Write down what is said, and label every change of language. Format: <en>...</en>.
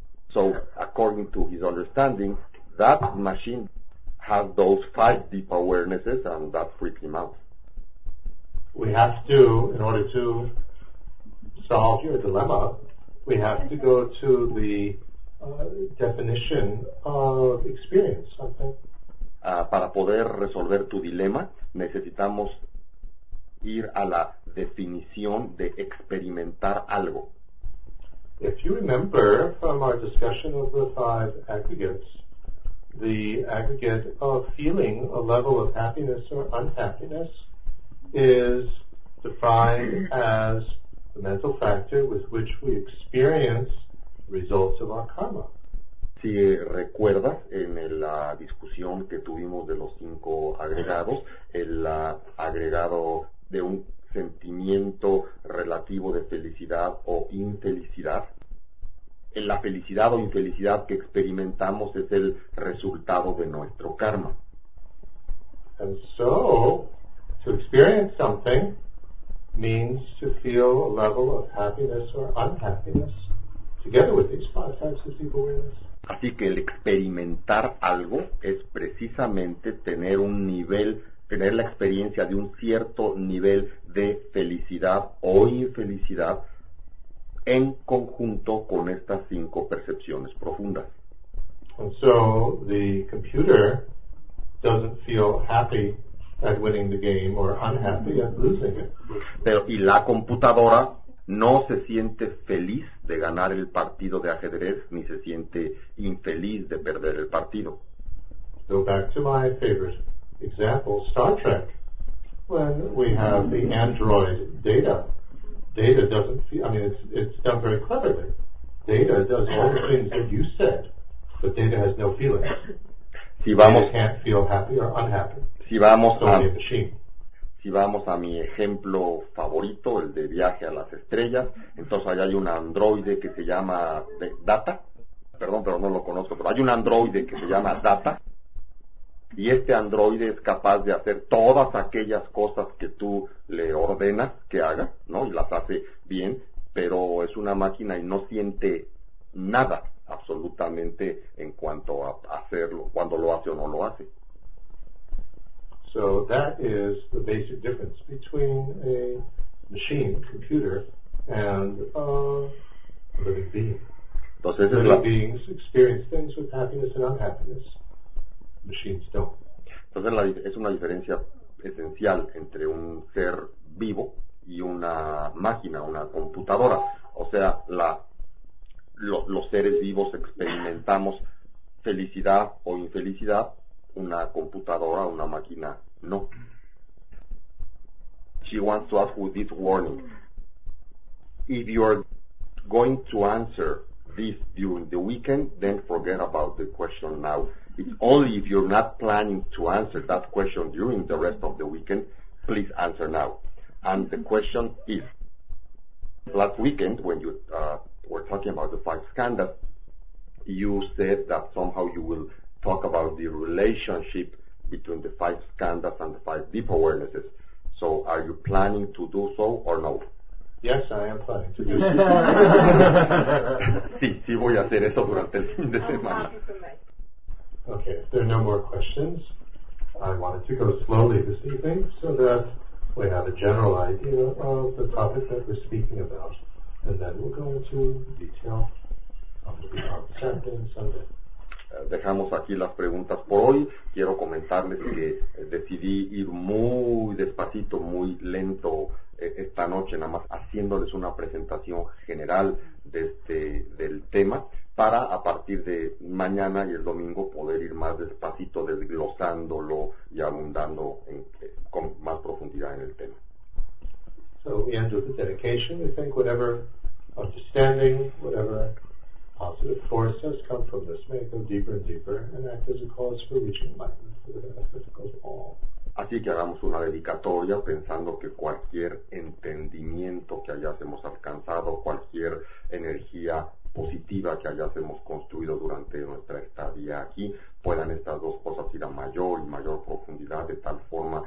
<en>So according to his understanding, that machine has those five deep awarenesses, and that freaked him out. We have to, in order to solve your dilemma, we have to go to the definition of experience, I think.</en> <es>Para poder resolver tu dilema, necesitamos ir a la definición de experimentar algo.</es> <en>If you remember from our discussion of the five aggregates, the aggregate of feeling, a level of happiness or unhappiness, is defined as the mental factor with which we experience results of our karma.</en> <es>Si recuerdas, en la discusión que tuvimos de los cinco agregados, el agregado de un sentimiento relativo de felicidad o infelicidad, en la felicidad o infelicidad que experimentamos es el resultado de nuestro karma.</es> <en>And so, to experience something means to feel a level of happiness or unhappiness together with these five types of deep awareness.</en> <es>Así que el experimentar algo es precisamente tener un nivel, tener la experiencia de un cierto nivel de felicidad o infelicidad en conjunto con estas cinco percepciones profundas.</es> <en>And so the computer doesn't feel happy at winning the game or unhappy at losing it.</en> <es>Pero y la computadora no se siente feliz de ganar el partido de ajedrez ni se siente infeliz de perder el partido.</es> <en>Go back to my favorite example, Star Trek, when we have the android Data. Data doesn't feel, it's done very cleverly. Data does all the things that you said, but Data has no feelings.</en> <es>Si vamos,</es> <en>Data can't feel happy or unhappy.</en> <es>Si vamos,</es> <en>it's only a machine.</en> <es>Si vamos a mi ejemplo favorito, el de viaje a las estrellas, entonces ahí hay un androide que se llama Data. Perdón, pero no lo conozco, pero hay un androide que se llama Data. Y este androide es capaz de hacer todas aquellas cosas que tú le ordenas que haga, ¿no? Y las hace bien, pero es una máquina y no siente nada absolutamente en cuanto a hacerlo, cuando lo hace o no lo hace.</es> <en>So that is the basic difference between a machine, a computer, and a living being.</en> <es>Entonces,</es> <en>living beings experience things with happiness and unhappiness. Machines don't.</en> <es>Entonces es una diferencia esencial entre un ser vivo y una máquina, una computadora. O sea, los seres vivos experimentamos felicidad o infelicidad, una computadora, una máquina, no.</es> <en>She wants to ask with this warning. If you are going to answer this during the weekend, then forget about the question now. It's only if you're not planning to answer that question during the rest of the weekend, please answer now. And the question is, last weekend when you were talking about the five skandhas, you said that somehow you will talk about the relationship between the five skandhas and the five deep awarenesses. So are you planning to do so or no? Yes, I am planning to do so.</en> <es>Sí, voy a hacer eso durante el fin de semana.</es> <en>Okay, if there are no more questions, I wanted to go slowly this evening so that we have a general idea of the topic that we're speaking about, and then we'll go into detail of the sentence and the</en> <es>dejamos aquí las preguntas por hoy. Quiero comentarles que decidí ir muy despacito, muy lento esta noche, nada más haciéndoles una presentación general de este, del tema, para a partir de mañana y el domingo poder ir más despacito desglosándolo y abundando en, con más profundidad en el tema.</es> <en>So we end with the dedication. We think whatever understanding, whatever positive force has come from this may go deeper and deeper and act as a cause for reaching enlightenment for the benefit of all.</en> <es>Así que hagamos una dedicatoria pensando que cualquier entendimiento que hayamos alcanzado, cualquier energía positiva que hayamos construido durante nuestra estadía aquí, puedan estas dos cosas ir a mayor y mayor profundidad de tal forma.</es>